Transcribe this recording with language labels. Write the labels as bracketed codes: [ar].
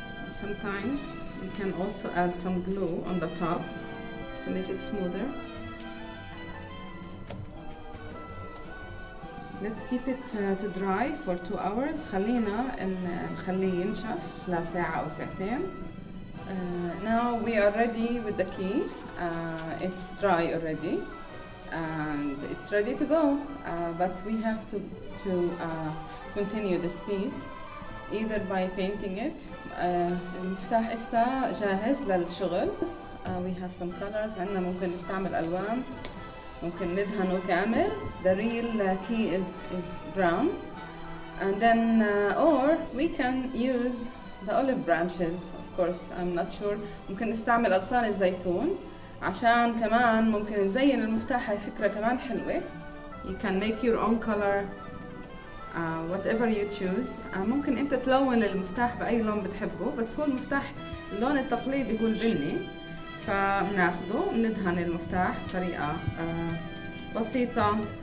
[en] Sometimes you can also add some glue on the top to make it smoother. Let's keep it to dry for 2 hours. [ar] خلينا نخليه ينشف لساعة أو ساعتين. [en] Now we are ready with the key. It's dry already and it's ready to go. But we have to continue this piece. Either by painting it. [ar] المفتاح إسا جاهز للشغل. [en] We have some colors. [ar] عندنا ممكن نستعمل ألوان. ممكن ندهنه كامل. [en] The real key is brown. And then or we can use the olive branches, of course, I'm not sure. [ar] ممكن نستعمل أغصان الزيتون عشان كمان ممكن نزين المفتاح. هاي فكرة كمان حلوة. [en] You can make your own color, whatever you choose. [ar] ممكن أنت تلون المفتاح بأي لون بتحبه, بس هو المفتاح اللون التقليدي هو البني. فمناخده ندهن المفتاح بطريقة بسيطة.